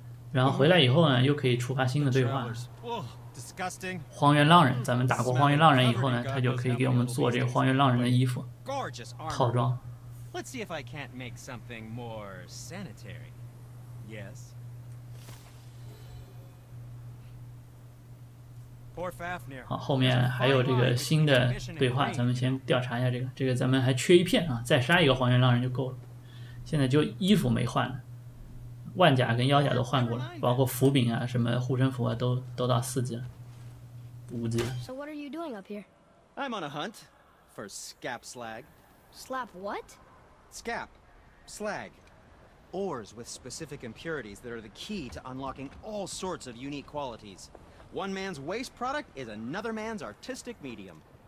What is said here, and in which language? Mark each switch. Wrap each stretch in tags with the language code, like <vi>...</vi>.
<zh>然后回来以后呢，又可以触发新的对话。</zh> <en>Disgusting.</en> <zh>荒原浪人，咱们打过荒原浪人以后呢，他就可以给我们做这个荒原浪人的衣服套装。</zh> <en>Let's see if I can't make something more sanitary. Yes. Poor Fafnir.</en> <zh>好，后面还有这个新的对话，咱们先调查一下这个。这个咱们还缺一片啊，再杀一个荒原浪人就够了。现在就衣服没换了。腕甲跟腰甲都换过了，包括斧柄啊，什么护身符啊，都到四级了，五级了。</zh> <en>So what are you doing up here? I'm on a hunt for scap slag. Slap what? Scap, slag, ores with specific impurities that are the key to unlocking all sorts of unique qualities. One man's waste product is another man's artistic medium.</en>